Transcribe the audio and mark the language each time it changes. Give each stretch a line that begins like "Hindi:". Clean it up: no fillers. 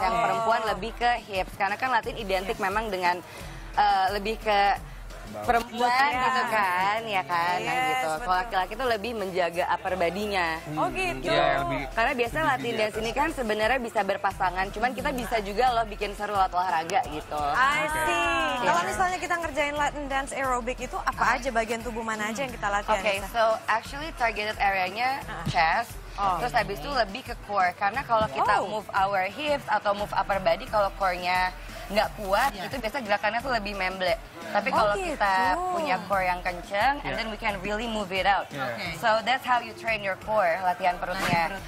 Indonesian: Yang perempuan lebih ke hips. Karena kan Latin identik memang dengan lebih ke perempuan gitu kan, ya kan, yes, nah gitu. Kalau laki-laki tuh lebih menjaga upper body-nya. Oh gitu.
English: Yeah,
Indonesian: karena biasa Latin dance sini kan sebenarnya bisa berpasangan, cuman kita bisa juga loh bikin seru lewat olahraga gitu.
English: I see. Yeah.
Indonesian: Kalau misalnya kita ngerjain Latin dance aerobic itu apa aja bagian tubuh mana aja yang kita latihan?
English: Oke, okay, so actually targeted area-nya chest.
Indonesian: Oh, terus habis itu lebih ke core, karena kalau kita
English: move our hips
Indonesian: atau
English: move upper body,
Indonesian: kalau core-nya nggak kuat, itu biasa gerakannya tuh lebih memble. Tapi kalau kita punya core yang kenceng,
English: and then we can really move it out. Okay. So that's how you train your core,
Indonesian: latihan perutnya.